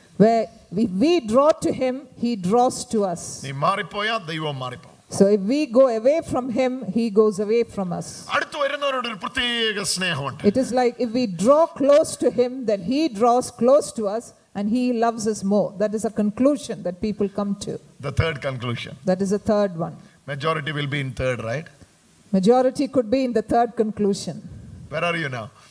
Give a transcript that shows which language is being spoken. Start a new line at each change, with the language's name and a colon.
English: Where we draw to him, he draws to us.
Malayalam: നീ മാറിപ്പോയാ ദൈവം മാറിപ്പോ.
English: So if we go away from him, he goes away from us.
Malayalam: അടുത്തു വരുന്നവരോട് ഒരു പ്രത്യേക സ്നേഹമുണ്ട്.
English: It is like if we draw close to him, then he draws close to us. And he loves us more. That is a conclusion that people come to. The third conclusion. That is the third one. Majority will be in third, right? Majority could be in the third conclusion. Where are you now?